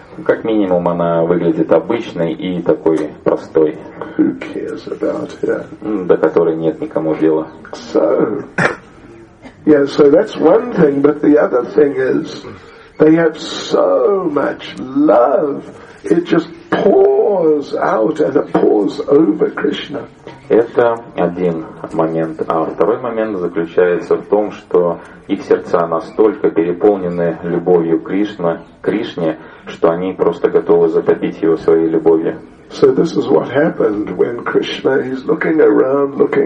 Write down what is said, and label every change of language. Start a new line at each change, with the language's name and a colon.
Russian: Как минимум она выглядит обычной и такой простой.
English: Who cares about her?
Russian: До которой нет никому дела.
English: So. Yeah, so that's one thing, but the other thing is they have so much love. It just pours out and it pours over Krishna.
Russian: Это один момент, а второй момент заключается в том, что их сердца настолько переполнены любовью Кришне, что они просто готовы затопить его своей любовью.
English: So this is what happened when Krishna is looking around.